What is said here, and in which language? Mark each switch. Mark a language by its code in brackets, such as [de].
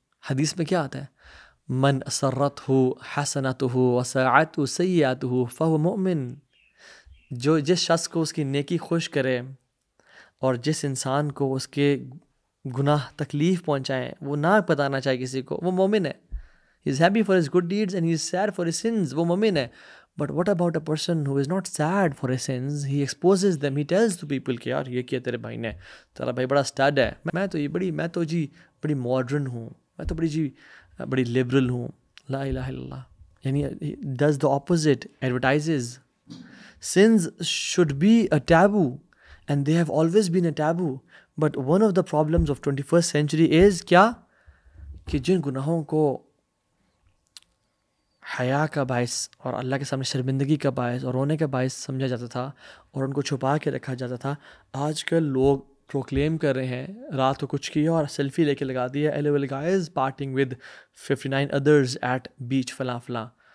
[ur] حدیث میں کیا آتا ہے، [ar] من اسرته حسنته وسعته سیئاته فهو مؤمن، [ur] جو جس شخص کو اس کی نیکی خوش کرے اور جس انسان کو اس کے گناہ تکلیف پہنچائیں وہ نہ بتانا چاہے کسی کو، وہ مؤمن ہے. [en] He is happy for his good deeds and he is sad for his sins. [ur] وہ مومن ہے. [en] But what about a person who is not sad for his sins? He exposes them. He tells to people [ur] کہ یار یہ کیا تیرے بھائی نے، تیرا بھائی بڑا اسٹڈ ہے، میں تو بڑی ماڈرن ہوں، میں تو بڑی جی بڑی لبرل ہوں. لا الہ الا اللہ، یعنی [en] does the opposite, advertises. Sins should be a taboo and they have always been a taboo. But one of the problems of 21st century is [ur] کیا کہ جن گناہوں کو حیا کا باعث اور اللہ کے سامنے شرمندگی کا باعث اور رونے کا باعث سمجھا جاتا تھا اور ان کو چھپا کے رکھا جاتا تھا، آج کل لوگ پروکلیم کر رہے ہیں رات کو کچھ کیا اور سیلفی لے کے لگا دی ہے، L well guys parting with 59 others at بیچ فلاں فلاں،